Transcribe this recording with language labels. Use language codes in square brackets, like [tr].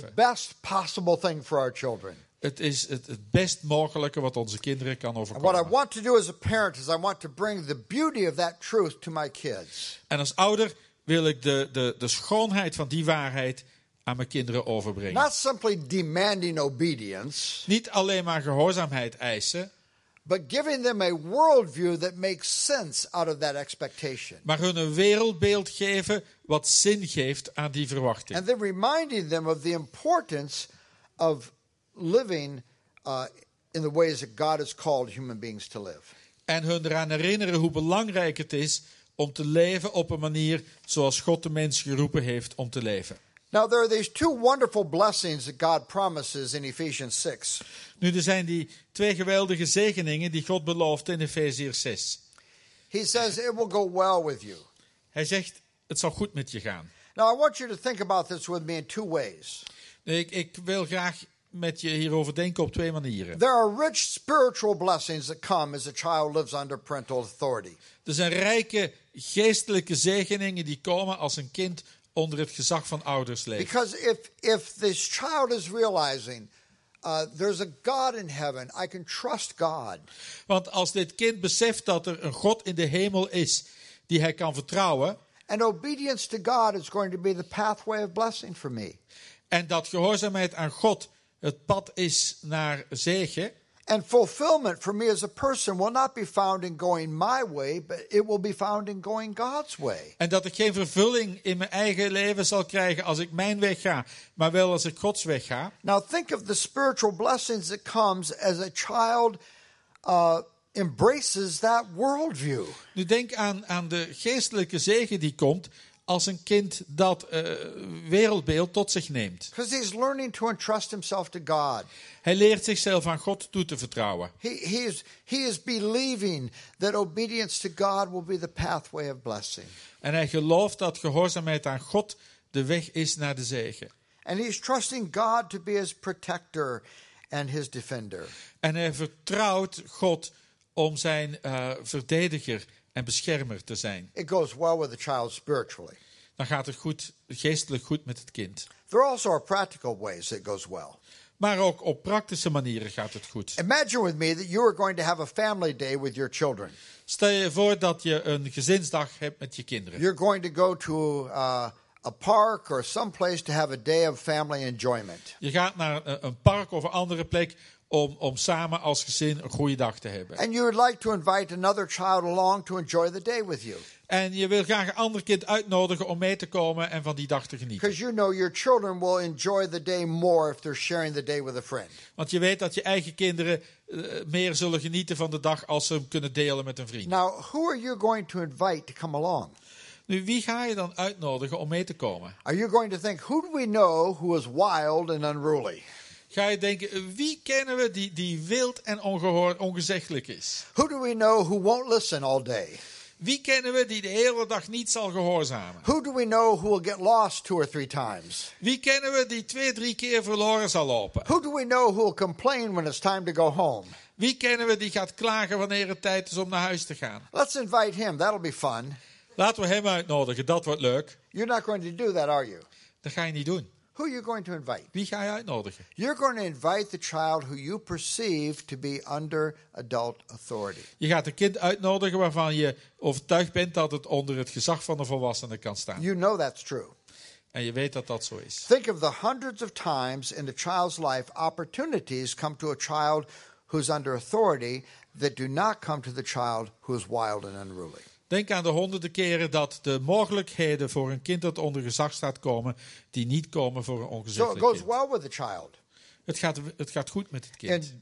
[en] It's the best possible thing for our children. [nl] Het is het best mogelijke wat onze kinderen kan overkomen. [en] What I want to do as a parent is I want to bring the beauty of that truth to my kids. [nl] En als ouder wil ik de schoonheid van die waarheid aan mijn kinderen overbrengen. [en] Not simply demanding obedience, [nl] niet alleen maar gehoorzaamheid eisen, [en] but giving them a worldview that makes sense out of that expectation. [nl] Maar hun een wereldbeeld geven wat zin geeft aan die verwachting. [en] And then reminding them of the importance of living in the ways that God has called human beings to live. [nl] En hun eraan herinneren hoe belangrijk het is om te leven op een manier zoals God de mens geroepen heeft om te leven. [en] Now there are these two wonderful blessings that God promises in Ephesians 6. [nl] Nu er zijn die twee geweldige zegeningen die God belooft in Efeziërs 6. [en] He says it will go well with you. [nl] Hij zegt het zal goed met je gaan. [en] Now I want you to think about this with me in two ways. [nl] Ik wil graag met je hierover denken op twee manieren. [en] There are rich spiritual blessings that come as a child lives under parental authority. [nl] Er zijn rijke geestelijke zegeningen die komen als een kind onder het gezag van ouders leeft. [en] Because if this child is realizing there's a God in heaven, I can trust God. [nl] Want als dit kind beseft dat er een God in de hemel is die hij kan vertrouwen, [en] and obedience to God is going to be the pathway of blessing for me. [nl] En dat gehoorzaamheid aan God het pad is naar zegen. [en] And fulfillment for me as a person will not be found in going my way, but it will be found in going God's way. [nl] En dat ik geen vervulling in mijn eigen leven zal krijgen als ik mijn weg ga, maar wel als ik Gods weg ga. [en] Now think of the spiritual blessings that comes as a child embraces that worldview. [nl] Nu denk aan de geestelijke zegen die komt als een kind dat wereldbeeld tot zich neemt. [en] Because he's learning to entrust himself to God. [nl] Hij leert zichzelf aan God toe te vertrouwen. [en] He is believing that obedience to God will be the pathway of blessing. [nl] En hij gelooft dat gehoorzaamheid aan God de weg is naar de zegen. [en] And he's trusting God to be his protector and his defender. [nl] En hij vertrouwt God om zijn verdediger en beschermer te zijn. [en] It goes well with the child spiritually. [nl] Dan gaat het goed, geestelijk goed met het kind. [en] There also are practical ways it goes well. [nl] Maar ook op praktische manieren gaat het goed. [en] Imagine with me that you are going to have a family day with your children. [nl] Stel je voor dat je een gezinsdag hebt met je kinderen. [en] You're going to go to a park or some place to have a day of family enjoyment. [nl] Je gaat naar een park of een andere plek om samen als gezin een goede dag te hebben. [en] And you would like to invite another child along to enjoy the day with you. [nl] En je wil graag een ander kind uitnodigen om mee te komen en van die dag te genieten. [en] Because you know your children will enjoy the day more if they're sharing the day with a friend. [nl] Want je weet dat je eigen kinderen meer zullen genieten van de dag als ze hem kunnen delen met een vriend. [en] Now, who are you going to invite to come along? [nl] Nu, wie ga je dan uitnodigen om mee te komen? [en] Are you going to think who do we know who is wild and unruly? [nl] Ga je denken, wie kennen we die wild en ongezeggelijk is? [en] Who do we know who won't listen all day? [nl] Wie kennen we die de hele dag niet zal gehoorzamen? [en] Who do we know who will get lost two or three times? [nl] Wie kennen we die twee, drie keer verloren zal lopen? [en] Who do we know who will complain when it's time to go home? [nl] Wie kennen we die gaat klagen wanneer het tijd is om naar huis te gaan? [en] Let's invite him, that'll be fun. [nl] Laten we hem uitnodigen, dat wordt leuk. [en] You're not going to do that, are you? [nl] Dat ga je niet doen. [en] Who are you going to invite? [nl] Wie ga je uitnodigen? [en] You're going to invite the child who you perceive to be under adult authority. [nl] Je gaat een kind uitnodigen waarvan je overtuigd bent dat het onder het gezag van een volwassene kan staan. [en] You know that's true. [nl] En je weet dat dat zo is. [en] Think of the hundreds of times in a child's life opportunities come to a child who's under authority that do not come to the child who is wild and unruly. [nl] Denk aan de honderden keren dat de mogelijkheden voor een kind dat onder gezag staat komen, die niet komen voor een ongezag. [en] So it goes well with the child. [nl] Het gaat goed met het kind.